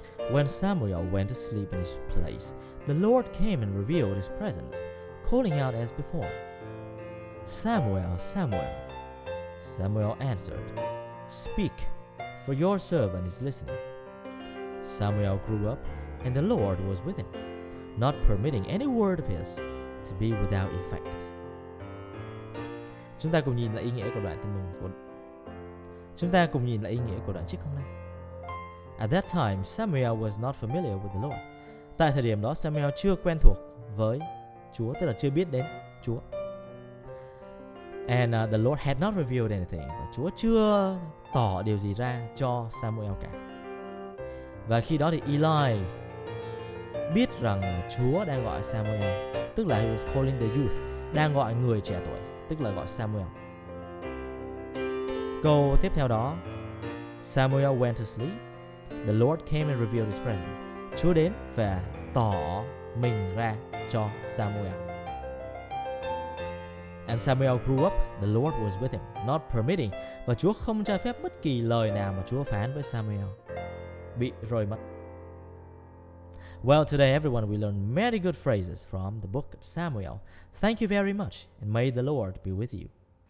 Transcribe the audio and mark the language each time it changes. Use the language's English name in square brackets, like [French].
[English] When Samuel went to sleep in his place, the Lord came and revealed his presence, calling out as before, "Samuel, Samuel." Samuel answered, "Speak, for your servant is listening." Samuel grew up, and the Lord was with him, not permitting any word of his to be without effect. [Vietnamese] Chúng ta cùng nhìn lại ý nghĩa của đoạn tin mừng của... Chúng ta cùng nhìn lại ý nghĩa của đoạn trích hôm nay. [English] At that time, Samuel was not familiar with the Lord. [Vietnamese] Tại thời điểm đó, Samuel chưa quen thuộc với Chúa, tức là chưa biết đến Chúa. [English] And the Lord had not revealed anything. [Vietnamese] Và Chúa chưa tỏ điều gì ra cho Samuel cả. Và khi đó thì Eli biết rằng Chúa đang gọi Samuel, tức là [English] he was calling the youth, [Vietnamese] đang gọi người trẻ tuổi, tức là gọi Samuel. Câu tiếp theo đó, [English] Samuel went to sleep. The Lord came and revealed his presence. [Vietnamese] Chúa đến và tỏ mình ra cho Samuel. [English] And Samuel grew up. The Lord was with him, not permitting. [Vietnamese] Và Chúa không cho phép bất kỳ lời nào mà Chúa phán với Samuel bị rơi mất. [English] Well, today everyone, we learned many good phrases from the book of Samuel. Thank you very much, and may the Lord be with you.